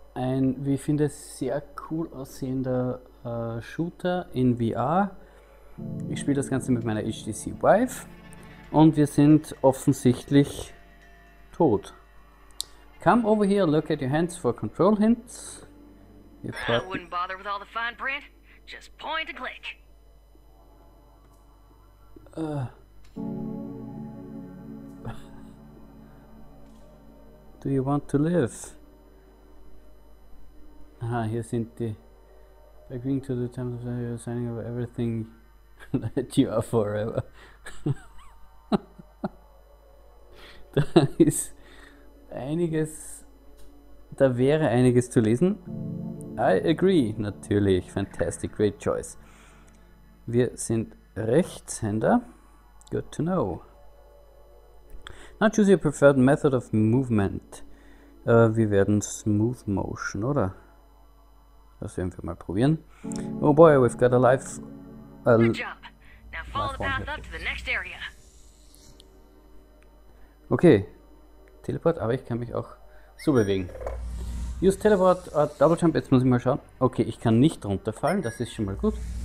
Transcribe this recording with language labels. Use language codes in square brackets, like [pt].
[de] Ein, wie ich finde, sehr cool aussehender Shooter in VR. Ich spiele das Ganze mit meiner HTC Vive. Und wir sind offensichtlich tot. [en] Come over here, look at your hands for control hints. I wouldn't bother with all the fine print. Just point and click. Do you want to live? [de] Aha, hier sind die. [en] Agreeing to the terms of your signing of everything that you are forever. [de] Da ist einiges. Da wäre einiges zu lesen. [en] I agree, [de] natürlich. [en] Fantastic, great choice. [de] Wir sind Rechtshänder. [en] Good to know. Now choose your preferred method of movement. [de] Wir werden Smooth Motion, oder? Das werden wir mal probieren. [en] Oh boy, we've got a life. Good job. Now follow the path up to the next area. Okay. [de] Teleport, aber ich kann mich auch so bewegen. [en] Use Teleport or Double Jump, [de] jetzt muss ich mal schauen. Okay, ich kann nicht runterfallen, das ist schon mal gut.